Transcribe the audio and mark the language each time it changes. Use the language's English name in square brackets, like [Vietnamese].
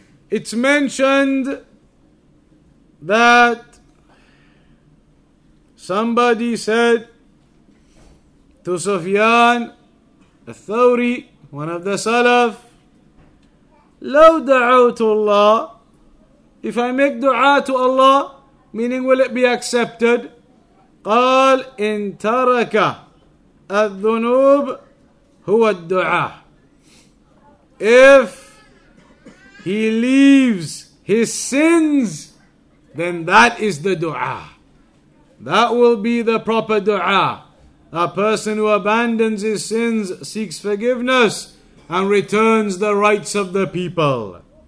[English] It's mentioned that somebody said to Sufyan al-Thawri, one of the Salaf, [Arabic] لو دعوت الله, [English] if I make dua to Allah, meaning will it be accepted? [Arabic] قال إن ترك الذنوب هو الدعاء. [English] If he leaves his sins, then that is the dua. That will be the proper dua. A person who abandons his sins, seeks forgiveness, and returns the rights of the people.